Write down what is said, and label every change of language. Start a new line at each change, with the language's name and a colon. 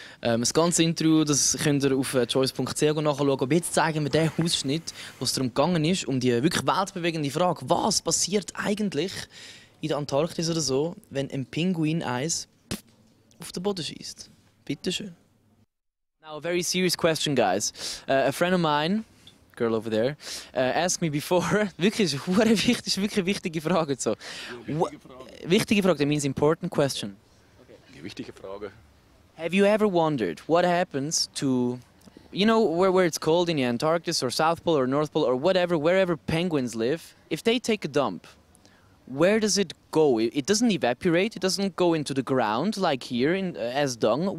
German: Das ganze Interview, das könnt ihr auf choice.ch nachschauen. Aber jetzt zeigen wir den Ausschnitt, was darum gegangen ist, um die wirklich weltbewegende Frage: Was passiert eigentlich in der Antarktis oder so, wenn ein Pinguin-Eis auf den Boden schießt? Bitte schön.
English: Now a very serious question, guys. A friend of mine, girl over there, asked me before.
German: Wirklich, ist hure wichtig, ist wirklich eine wichtige Frage so. Wichtige Frage.
English: That means important question.
German: Okay. Wichtige Frage.
English: Have you ever wondered what happens to, you know, where it's cold in the Antarctic or South Pole or North Pole or whatever, wherever penguins live, if they take a dump? Where does it go? It doesn't evaporate, it doesn't go into the ground like here in, as dung.